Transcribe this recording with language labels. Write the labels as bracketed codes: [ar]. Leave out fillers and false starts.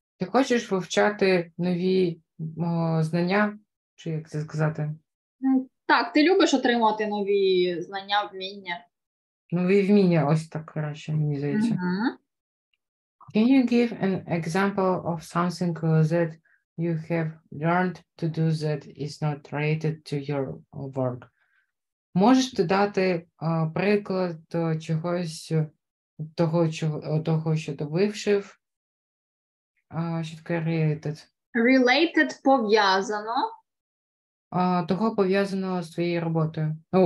[uk] Ти хочеш вивчати нові знання? Чи як це сказати? Так, ти любиш отримати нові знання, вміння. Нові вміння, ось так краще, мені здається. Uh-huh. [en] Can you give an example of something that you have learned to do that is not related to your work? [uk] Можеш ти дати приклад чогось, того, що ти вивчив? Що таке related? Related пов'язано. Того пов'язано з твоєю роботою.